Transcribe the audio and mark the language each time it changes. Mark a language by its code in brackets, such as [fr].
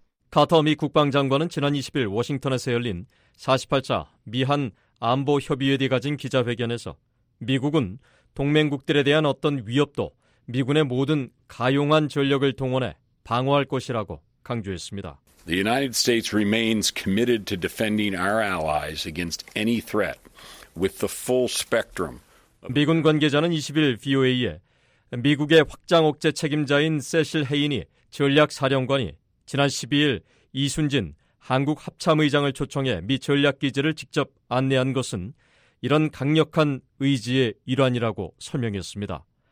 [ko] 카터 미 국방장관은 지난 20일 워싱턴에서 열린 48차 미한 안보협의회에 가진 기자회견에서 미국은 동맹국들에 대한 어떤 위협도 미군의 모든 가용한 전력을 동원해 방어할 것이라고 강조했습니다. [en] The United States remains committed to defending our allies against any threat with the full spectrum. [ko] 미군 관계자는 20일 VOA에 미국의 확장 억제 책임자인 세실 헤인이 전략사령관이 지난 12일 이순진 한국 합참의장을 초청해 미 전략기지를 직접 안내한 것은 이런 강력한 의지의 일환이라고 설명했습니다.